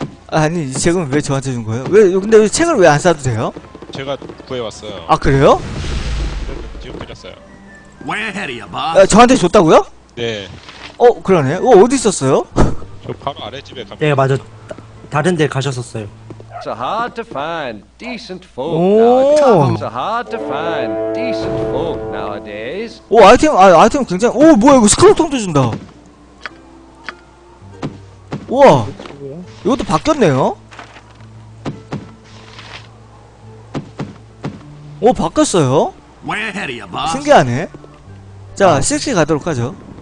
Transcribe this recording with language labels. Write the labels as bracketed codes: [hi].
[ko] 아니, 지금 왜 저한테 준 거예요? 왜, 근데 책을 왜 안 사도 돼요? 제가 구해왔어요. 아, 그래요? 지금 드렸어요. 야, 저한테 줬다고요? 네. 그러네. 어디 있었어요? 저 바로 아래 집에 갑니다. 네, 맞아. 다른 데 가셨었어요. [en] It's a hard to find decent folk nowadays. It's a hard to find decent folk nowadays. [ko] 오, 아이템 굉장히. 오, 뭐야, 이거 스크롤통도 준다. 우와. 이것도 바뀌었네요? 오, 바뀌었어요? 신기하네. 자, 6시 가도록 하죠.